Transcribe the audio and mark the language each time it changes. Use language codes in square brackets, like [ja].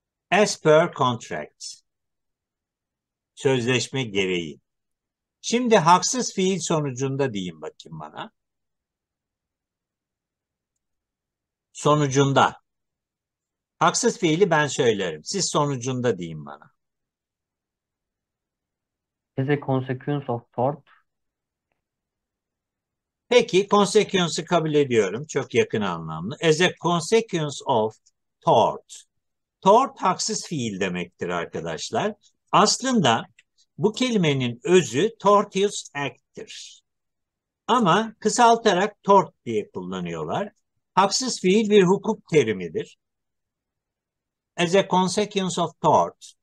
[en] As per contract. [tr] Sözleşme gereği. Şimdi haksız fiil sonucunda diyeyim bakayım bana. Sonucunda. Haksız fiili ben söylerim. Siz sonucunda deyin bana. [en] As a consequence of tort. [tr] Peki, consequence'ı kabul ediyorum. Çok yakın anlamlı. [en] As a consequence of tort. [tr] Tort haksız fiil demektir arkadaşlar. Aslında bu kelimenin özü tortious act'tir. Ama kısaltarak tort diye kullanıyorlar. Haksız fiil bir hukuk terimidir. [en] As a consequence of tort.